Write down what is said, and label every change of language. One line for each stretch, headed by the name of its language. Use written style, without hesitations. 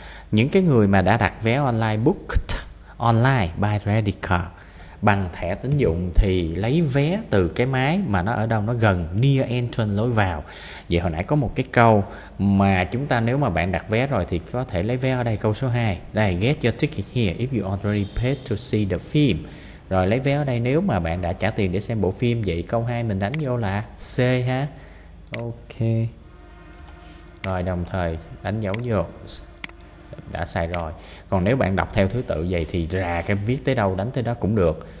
Vietnamese: Những cái người mà đã đặt vé online,
English: booked online by credit card,
Vietnamese: bằng thẻ tín dụng, thì lấy vé từ cái máy mà nó ở đâu nó gần,
English: near entrance,
Vietnamese: lối vào. Vậy hồi nãy có một cái câu mà chúng ta, nếu mà bạn đặt vé rồi thì có thể lấy vé ở đây, câu số 2.
English: Đây, get your ticket here if you already paid to see the film.
Vietnamese: Rồi, lấy vé ở đây nếu mà bạn đã trả tiền để xem bộ phim. Vậy câu 2 mình đánh vô là C ha. Ok. Rồi, đồng thời đánh dấu vô đã xài rồi. Còn nếu bạn đọc theo thứ tự vậy thì ra cái viết tới đâu đánh tới đó cũng được.